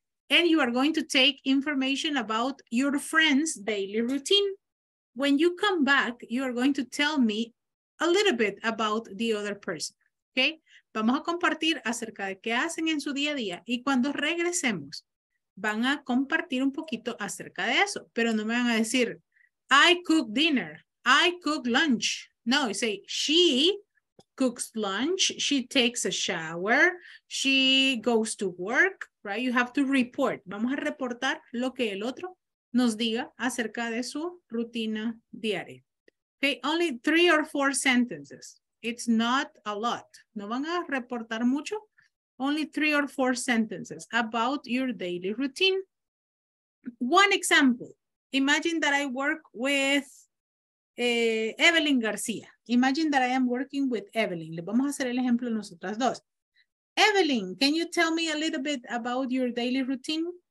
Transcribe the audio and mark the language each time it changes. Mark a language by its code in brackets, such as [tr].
[en] And you are going to take information about your friend's daily routine. When you come back, you are going to tell me a little bit about the other person, okay? [es] Vamos a compartir acerca de qué hacen en su día a día y cuando regresemos, van a compartir un poquito acerca de eso, pero no me van a decir, [en] I cook dinner, I cook lunch. No, you say, she cooks lunch, she takes a shower, she goes to work, right? You have to report. [es] Vamos a reportar lo que el otro nos diga acerca de su rutina diaria. [en] Okay, only 3 or 4 sentences. It's not a lot. [es] No van a reportar mucho. [en] Only 3 or 4 sentences about your daily routine. One example. Imagine that I work with Evelyn García. Imagine that I am working with Evelyn. [es] Le vamos a hacer el ejemplo nosotras dos. [en] Evelyn, can you tell me a little bit about your daily routine?